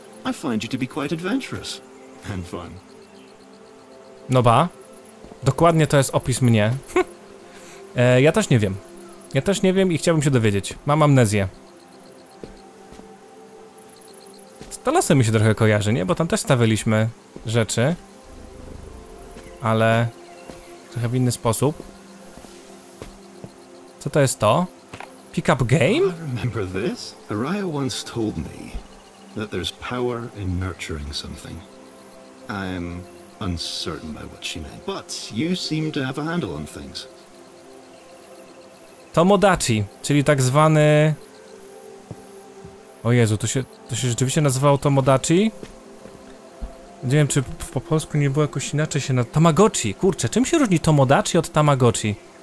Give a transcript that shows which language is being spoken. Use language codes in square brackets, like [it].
[en] I find you to be quite adventurous and fun. [pl] No ba. Dokładnie to jest opis mnie. ja też nie wiem. Ja też nie wiem i chciałbym się dowiedzieć. Mam amnezję. Z Talosem mi się trochę kojarzy, nie? Bo tam też stawialiśmy rzeczy. Ale... Trochę w inny sposób. Co to jest to? Pickup game? [en] I remember this. Araya once told me. That there's power in nurturing something. I'm uncertain by what she meant, but you seem to have a handle on things. [pl] Tomodachi, czyli tak zwany... O Jezu, to się rzeczywiście nazywało Tomodachi? Nie wiem, czy po polsku nie było jakoś inaczej się na... Tamagotchi, kurczę, czym się różni Tomodachi od Tamagotchi?